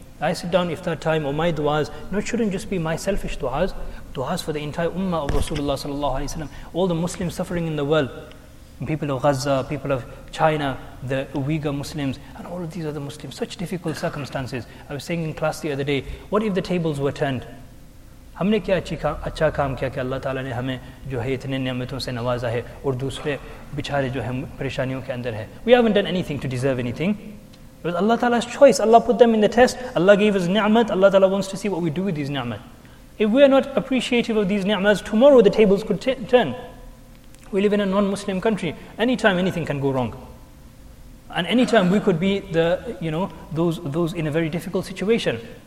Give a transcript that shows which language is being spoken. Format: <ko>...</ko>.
<en>I sit down iftar time, or my du'as, it shouldn't just be my selfish du'as, du'as for the entire ummah of Rasulullah sallallahu alaihi wasallam, all the Muslims suffering in the world, people of Gaza, people of China, the Uyghur Muslims, and all of these other Muslims, such difficult circumstances. I was saying in class the other day, what if the tables were turned?</en> <ur>ہم نے کیا اچھا کام کیا کہ اللہ تعالیٰ نے ہمیں جو ہے اتنے نعمتوں سے نوازا ہے اور دوسرے بچھارے جو ہیں پریشانیوں کے اندر ہے.</ur> <en>We haven't done anything to deserve anything. It was Allah Ta'ala's choice. Allah put them in the test. Allah gave us ni'mat. Allah Ta'ala wants to see what we do with these ni'mat. If we are not appreciative of these ni'mat, tomorrow the tables could turn. We live in a non-Muslim country. Anytime anything can go wrong. And anytime we could be those in a very difficult situation.</en>